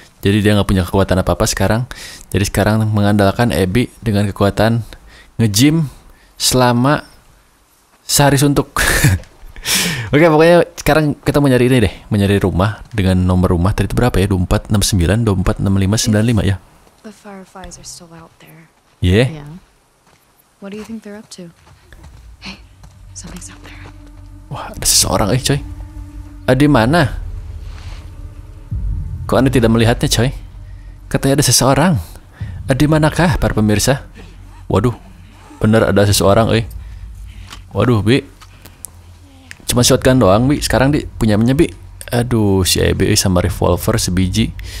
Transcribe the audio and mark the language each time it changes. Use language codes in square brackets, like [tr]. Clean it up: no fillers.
[id] Jadi dia gak punya kekuatan apa-apa sekarang. Jadi sekarang mengandalkan Abby dengan kekuatan nge-gym selama sehari suntuk. Oke, pokoknya sekarang kita mau nyari ini deh, mencari rumah dengan nomor rumah tadi itu berapa ya? 2469, 2465, 95 ya. [en] The Fireflies are still out there. Yeah. What do you think they're up to? Hey, something's out there. [id] Wah, ada seseorang coy. Di mana? Kok Anda tidak melihatnya, coy? Katanya ada seseorang. Di manakah para pemirsa? Waduh. Benar ada seseorang, Waduh, Bi. Cuma shotgun doang, Bi. Sekarang di punyanya, Bi. Aduh, si EBE sama revolver sebiji.